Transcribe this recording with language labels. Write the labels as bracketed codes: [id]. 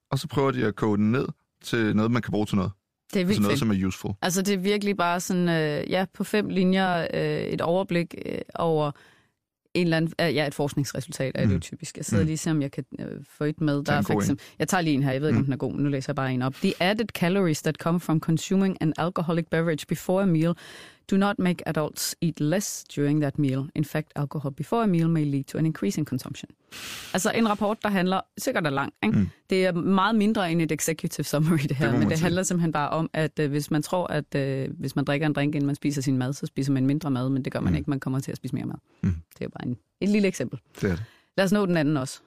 [da] Og så prøver de at kode den ned til noget, man kan bruge til noget. Det er altså noget, Som er useful. Altså det er virkelig bare sådan, på 5 linjer et overblik over en eller anden, et forskningsresultat er det jo typisk. Jeg sidder lige og ser, om jeg kan få et med. Der er en god faktisk, en. Jeg tager lige en her, jeg ved ikke, om den er god, men nu læser jeg bare en op. [en] The added calories that come from consuming an alcoholic beverage before a meal do not make adults eat less during that meal. In fact, alcohol before a meal may lead to an increase in consumption. [da] Altså en rapport, der handler, sikkert er lang, ikke? Det er meget mindre end et executive summary det her, men det handler simpelthen bare om, at hvis man tror, at hvis man drikker en drink, inden man spiser sin mad, så spiser man mindre mad, men det gør man ikke, man kommer til at spise mere mad. Det er bare et lille eksempel. Det er det. Lad os nå den anden også.